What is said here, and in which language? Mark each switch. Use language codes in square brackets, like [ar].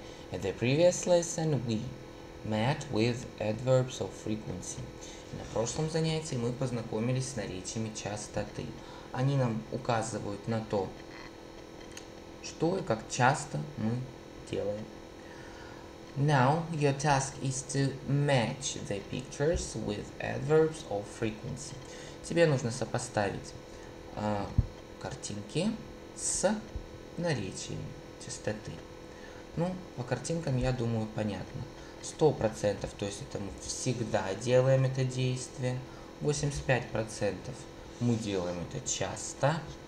[en] In the previous lesson we met with adverbs of frequency. [ru] На прошлом занятии мы познакомились с наречиями частоты. Они нам указывают на то, что и как часто мы делаем. [en] Now your task is to match the pictures with adverbs of frequency. [ru] Тебе нужно сопоставить картинки с наречиями частоты. Ну, по картинкам, я думаю, понятно. 100%, то есть это мы всегда делаем это действие. 85% мы делаем это часто.